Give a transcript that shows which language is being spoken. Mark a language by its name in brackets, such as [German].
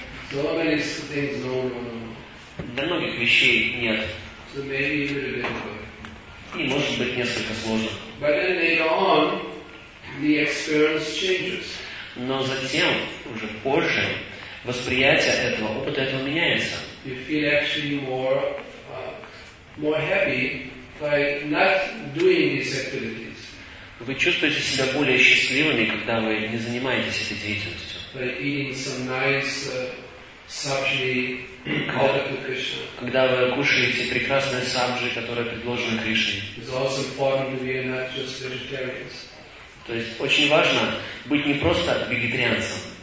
[English] So many things, no. [Russian] Для многих вещей нет. [English] So maybe a bit. [Russian] И может быть несколько сложно. [English] But then later on, the experience changes. [Russian] Но затем, уже позже, восприятие этого, опыта этого меняется. [English] You feel actually more happy by not doing these activities. [Russian] Вы чувствуете себя более счастливыми, когда вы не занимаетесь этой деятельностью. [English] By eating some nice sabji called to Krishna. [Russian] Когда вы кушаете прекрасные сабжи, которые предложены Кришне. [English] It's also important to be not just vegetarians. [Russian] То есть очень важно быть не просто вегетарианцем.